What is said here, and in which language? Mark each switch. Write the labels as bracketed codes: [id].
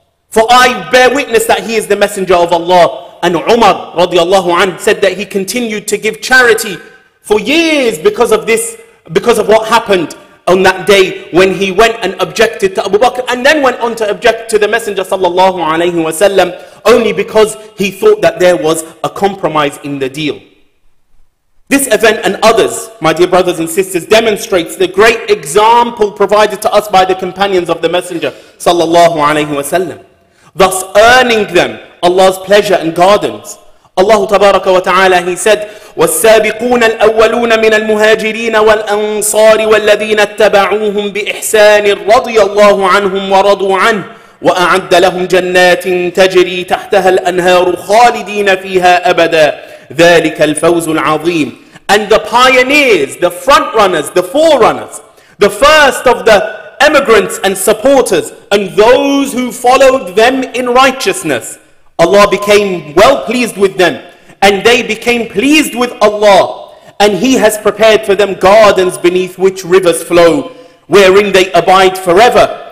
[en] For I bear witness that he is the Messenger of Allah. And Umar radiallahu anhu said that he continued to give charity for years because of this, because of what happened on that day when he went and objected to Abu Bakr and then went on to object to the Messenger sallallahu alayhi wa sallam, only because he thought that there was a compromise in the deal. This event and others, my dear brothers and sisters, demonstrates the great example provided to us by the companions of the Messenger sallallahu alayhi wa sallam, thus earning them Allah's pleasure and guidance. [ar] Allah tabaraka wa ta'ala, [en] he said, [ar] وَالسَّابِقُونَ الْأَوَّلُونَ مِنَ الْمُهَاجِرِينَ وَالْأَنصَارِ وَالَّذِينَ اتَّبَعُوهُمْ بِإِحْسَانٍ رَضِيَ اللَّهُ عَنْهُمْ وَرَضُوا عَنْهُ وَأَعَدَّ لَهُمْ جَنَّاتٍ تَجْرِي تَحْتَهَا الْأَنْهَارُ خَالِدِينَ فِيهَا أَبَدًا ذَلِكَ الْفَوْزُ الْعَظِيمُ. [en] And the pioneers, the front runners, the forerunners, the first of the emigrants and supporters, and those who followed them in righteousness, Allah became well pleased with them, and they became pleased with Allah, and He has prepared for them gardens beneath which rivers flow, wherein they abide forever.